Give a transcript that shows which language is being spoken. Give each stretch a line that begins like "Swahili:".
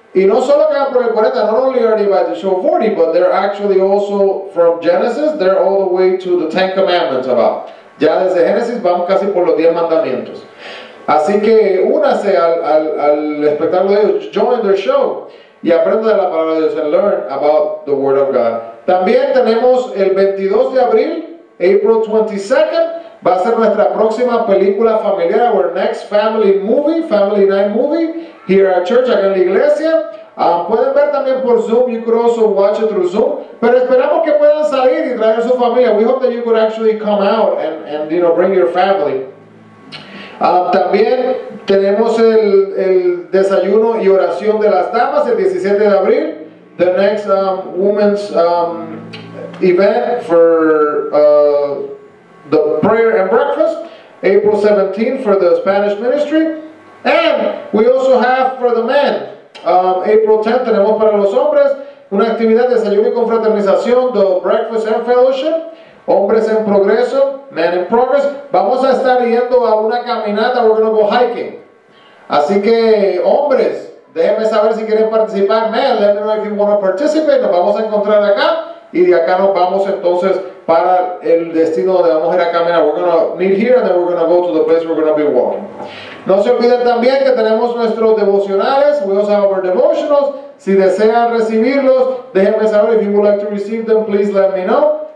Spanish: Y no solo que van por el 40,
English: not only are they by the show 40, but they're actually also from Genesis. They're all the way to the Ten Commandments about.
Spanish: Ya desde Genesis vamos casi por los 10 mandamientos. Así que únase al espectáculo de ellos.
English: Join their show.
Spanish: Y aprenda de la palabra de Dios
English: and learn about the Word of God.
Spanish: También tenemos el 22 de abril,
English: April 22nd,
Spanish: va a ser nuestra próxima película familiar,
English: our next family movie, family night movie, here at church,
Spanish: acá en la iglesia. Pueden ver también por Zoom,
English: you could also watch it through Zoom,
Spanish: pero esperamos que puedan salir y traer a su familia.
English: We hope that you could actually come out and you know, bring your family.
Spanish: También tenemos el desayuno y oración de las damas el 17 de abril.
English: The next women's event for the prayer and breakfast, April 17th for the Spanish ministry. And we also have for the men, April 10th,
Spanish: tenemos para los hombres, una actividad de desayuno y confraternización,
English: the breakfast and fellowship,
Spanish: hombres en progreso,
English: men in progress.
Spanish: Vamos a estar yendo a una caminata,
English: we're going to go hiking.
Spanish: Así que, hombres, déjenme saber si quieren participar.
English: Man, let me know if you want to participate.
Spanish: Nos vamos a encontrar acá. Y de acá nos vamos entonces para el destino donde vamos a ir a caminar.
English: We're going to meet here and then we're going to go to the place we're going to be walking.
Spanish: No se olviden también que tenemos nuestros devocionales.
English: We also have our devotionals.
Spanish: Si desean recibirlos, déjenme saber.
English: If you would like to receive them, please let me know.